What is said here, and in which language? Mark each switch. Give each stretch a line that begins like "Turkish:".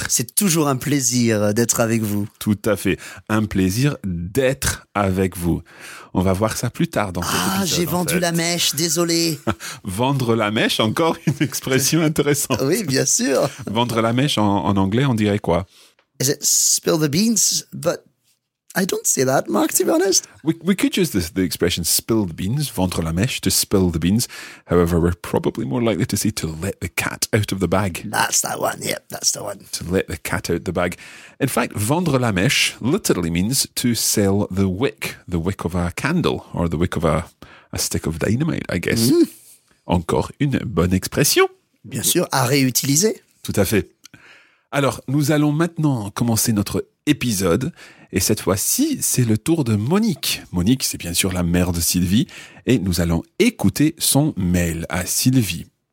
French: C'est toujours un plaisir d'être avec vous. Tout à fait. Un plaisir d'être avec vous. On va voir ça plus tard dans cet épisode. Ah, j'ai vendu la mèche, désolé. Vendre la mèche, encore une expression intéressante. Oui, bien sûr. Vendre la mèche en anglais, on dirait quoi?
English: Is it spill the beans, but... I don't say that, Mark, to be honest. We could use the expression spill the beans,
French: vendre la mèche,
English: to spill the beans. However, we're probably more likely to say to let the cat out of the bag. That's that one, yep, that's the one. To let the cat out the bag. In fact,
French: vendre la mèche
English: literally means to sell the wick of a candle, or the wick of a stick of dynamite, I guess. Mm.
French: Encore une bonne expression. Bien sûr, à réutiliser. Tout à fait. Alors, nous allons maintenant commencer notre épisode, et cette fois-ci, c'est le tour de Monique. Monique, c'est bien sûr la mère de Sylvie, et nous allons écouter son mail à Sylvie.